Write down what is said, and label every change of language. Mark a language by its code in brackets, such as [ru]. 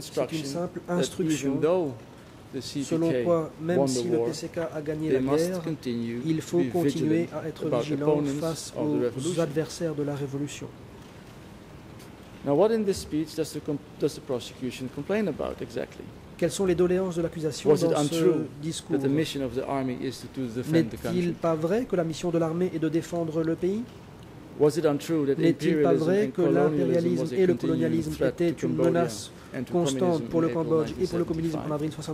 [fr] C'est une simple instruction selon quoi, même si le PCK a gagné la guerre, il faut continuer à être vigilant face aux adversaires de la révolution. [en] Now, what in this speech does the prosecution complain about exactly? [fr] Quelles sont les doléances de l'accusation [en] was [fr] dans ce discours? N'est-il pas vrai que la mission de l'armée est de défendre le pays? N'est-il pas vrai que l'impérialisme et le colonialisme étaient une menace constante pour le Cambodge et pour le communisme en avril